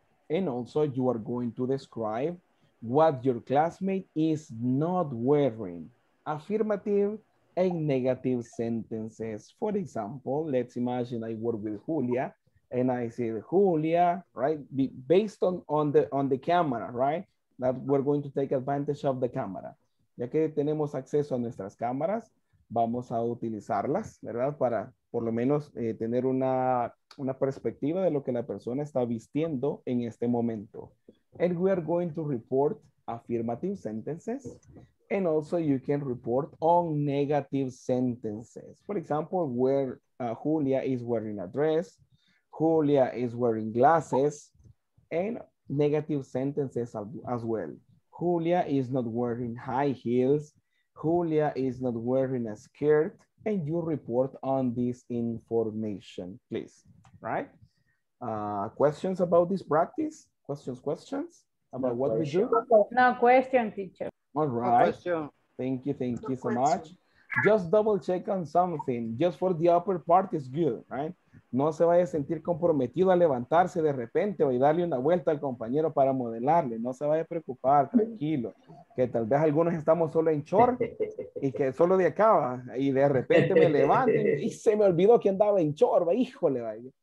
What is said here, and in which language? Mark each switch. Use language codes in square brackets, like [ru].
[en] And also you are going to describe what your classmate is not wearing. Affirmative and negative sentences. For example, let's imagine I work with Julia and I say, Julia, right? Based on the camera, right? That we're going to take advantage of the camera. [es] Ya que tenemos acceso a nuestras cámaras, vamos a utilizarlas, ¿verdad? Para por lo menos tener una perspectiva de lo que la persona está vistiendo en este momento. [en] And we are going to report affirmative sentences. And also you can report on negative sentences. For example, where Julia is wearing a dress, Julia is wearing glasses, and negative sentences as well. Julia is not wearing high heels. Julia is not wearing a skirt. And you report on this information, please, right? Questions about this practice? Questions about what we do? No question, teacher. All right. Thank you so much. Just double check on something. Just for the upper part is good, right? [es] no se vaya a sentir comprometido a levantarse de repente o y darle una vuelta al compañero para modelarle. No se vaya a preocupar, tranquilo. Que tal vez algunos estamos solo en short y que solo de acá va, y de repente me levante y se me olvidó que andaba en short, va, híjole, vaya.